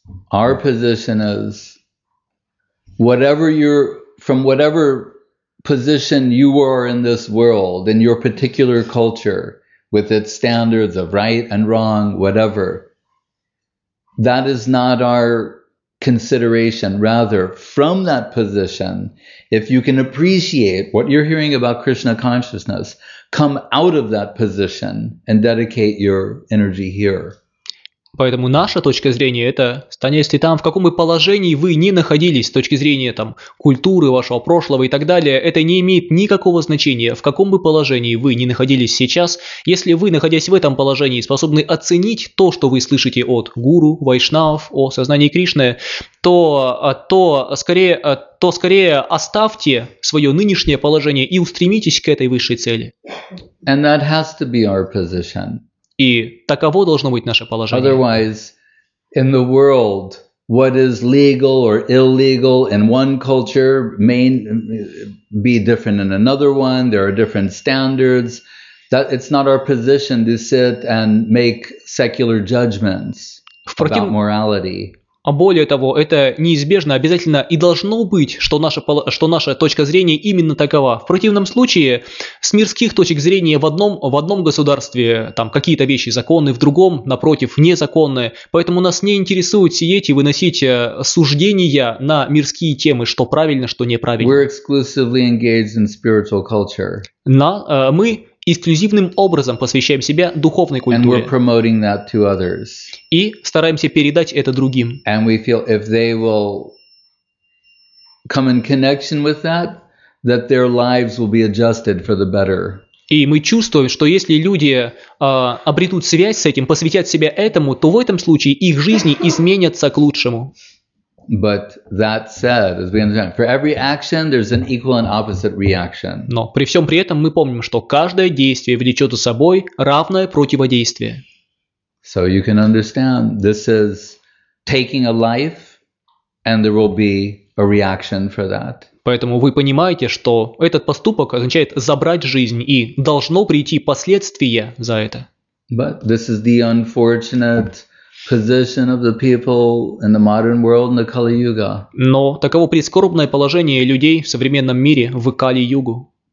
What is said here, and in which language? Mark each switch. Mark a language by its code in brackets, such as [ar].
[en] Our position is, whatever you're, from whatever position you are in this world, in your particular culture, with its standards of right and wrong, whatever, that is not our consideration. Rather, from that position, if you can appreciate what you're hearing about Krishna consciousness, come out of that position and dedicate your energy here. [ru] Поэтому наша точка зрения – это если там, в каком бы положении вы ни находились с точки зрения там, культуры вашего прошлого и так далее, это не имеет никакого значения, в каком бы положении вы ни находились сейчас. Если вы, находясь в этом положении, способны оценить то, что вы слышите от гуру, вайшнав, о сознании Кришны, то скорее оставьте свое нынешнее положение и устремитесь к этой высшей цели. [en] And that has to be our position. [ru] И таково должно быть наше положение. [en] Otherwise, in the world, what is legal or illegal in one culture may be different in another one. There are different standards. That it's not our position to sit and make secular judgments about morality. [ru] А более того, это неизбежно, обязательно и должно быть, что наша точка зрения именно такова. В противном случае, с мирских точек зрения в одном государстве там какие-то вещи законны, в другом, напротив, незаконны. Поэтому нас не интересует сидеть и выносить суждения на мирские темы, что правильно, что неправильно. [en] We're exclusively engaged in spiritual culture. [ru] Мы эксклюзивным образом посвящаем себя духовной культуре. [en] And we're promoting that to others. [ru] И стараемся передать это другим. [en] And we feel if they will come in connection with that, that their lives will be adjusted for the better. [ru] И мы чувствуем, что если люди обретут связь с этим, посвятят себя этому, то в этом случае их жизни изменятся к лучшему. [en] But that said, as we understand, for every action there's an equal and opposite reaction. [ru] Но при всем при этом мы помним, что каждое действие влечет за собой равное противодействие. [en] So you can understand this is taking a life, and there will be a reaction for that. [ru] Поэтому вы понимаете, что этот поступок означает забрать жизнь, и должно прийти последствия за это. [en] But this is the unfortunate position of the people in the modern world in the Kali Yuga. [ru] Но таково прискорбное положение людей в современном мире в Кали-Югу.